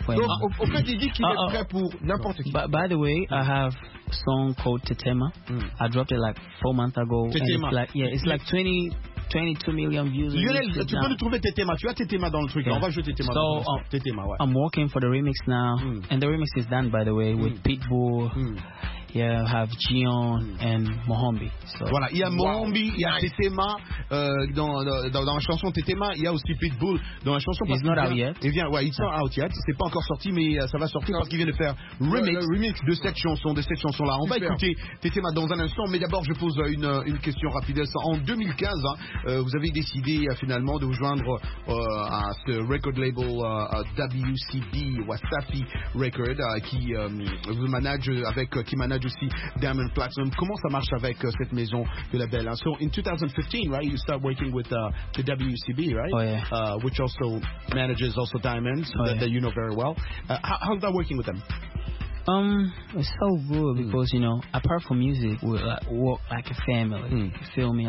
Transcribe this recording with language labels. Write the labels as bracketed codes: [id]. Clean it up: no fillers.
[en] By the way, I have song called Tetema. I dropped it like 4 months ago. Tetema. It's like, yeah, it's like 22 million views. [fr] Lionel, tu peux le trouver, Tetema. Tu as Tetema dans le truc. Yeah. On va jouer Tetema. [en] So, [fr] Tetema, ouais. [en] I'm working for the remix now. And the remix is done, by the way, with Pitbull. Yeah, I have Gion and Mohambi. So, [fr] voilà, il y a Mohambi, il y a Tetema dans la chanson Tetema. Il y a aussi Pitbull dans la chanson. [en] It's not out yet. It's not out yet. [fr] C'est pas encore sorti, mais ça va sortir parce qu'il vient de faire remix de cette chanson, là. On va écouter Tetema dans un instant, mais d'abord je pose une question rapide. En 2015, vous avez décidé finalement de vous joindre à ce record label WCB, Wasafi Record, qui manage aussi Diamond Platinum. Comment ça marche avec cette maison de label? [en] So in 2015, right, you start working with the WCB, right? Oh, yeah. Which also manages Diamond, that you know very well. How's that working with them? It's so good because, you know, apart from music, we work like a family. You feel me?